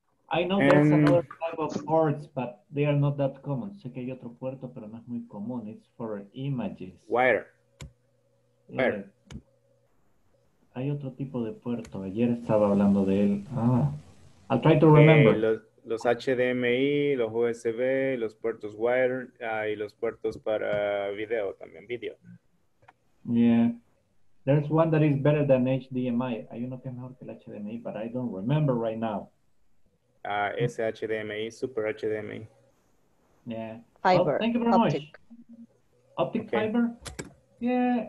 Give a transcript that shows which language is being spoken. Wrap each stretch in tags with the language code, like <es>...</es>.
<en>I know there's another type of ports, but they are not that common.</en> <es>Sé que hay otro puerto, pero no es muy común.</es> <en>It's for images. Wire.</en> <es>Hay otro tipo de puerto. Ayer estaba hablando de él.</es> <en>I'll try to remember.</en> <es>Los HDMI, los USB, los puertos wire, y los puertos para video también, video.</es> <en>Yeah, there's one that is better than HDMI.</en> <es>Hay uno que es mejor que el HDMI,</es> <en>but I don't remember right now. SHDMI, Super HDMI. Yeah. Fiber. Thank you very much. Optic okay. Fiber? Yeah.</en>